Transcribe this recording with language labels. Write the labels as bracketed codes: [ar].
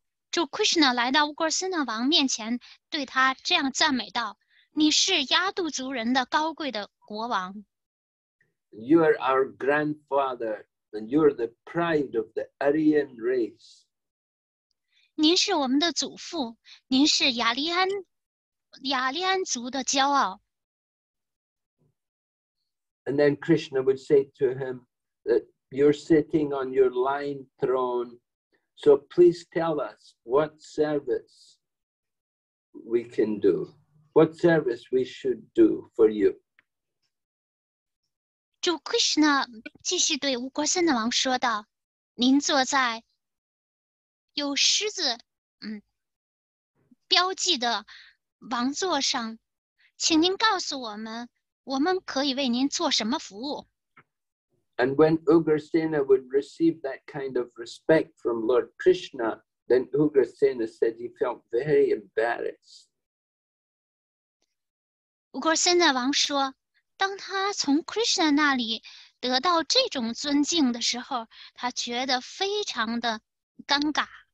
[zh] 主 Krishna 来到 Ugrasena 王面前，对他这样赞美道：“你是亚杜族人的高贵的国王。” [en] You are our grandfather, and you are the pride of the Aryan race. [zh] 您是我们的祖父，您是雅利安族的骄傲。 [en] And then Krishna would say to him that you're sitting on your lion throne, so please tell us what service we can do, what service we should do for you. [zh] 主 Krishna 继续对 Ugrasena 王说道：“您坐在有狮子标记的王座上，请您告诉我们。” 我们可以为您做什么服务？ [en] And when Ugrasena would receive that kind of respect from Lord Krishna, then Ugrasena said he felt very embarrassed. [zh] Ugrasena 王说，当他从 Krishna 那里得到这种尊敬的时候，他觉得非常的尴尬。